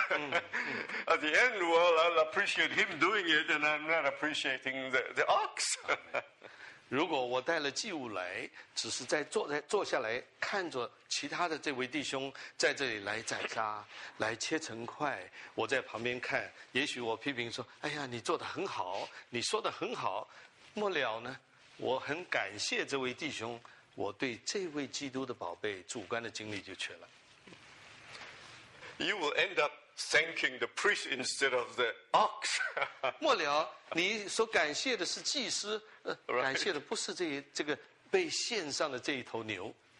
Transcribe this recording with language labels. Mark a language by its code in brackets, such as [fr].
[en] At the end, well, I'll appreciate him doing it, and I'm not appreciating the ox. [zh] 如果我带了祭物来，只是在坐下来看着其他的这位弟兄在这里来宰杀、来切成块，我在旁边看，也许我批评说：“哎呀，你做得很好，你说得很好。” 末了呢？我很感谢这位弟兄，我对这位基督的宝贝主观的经历就缺了。 [en] You will end up thanking the priest instead of the ox. [zh] 末了，你所感谢的是祭司，感谢的不是这个被献上的这一头牛。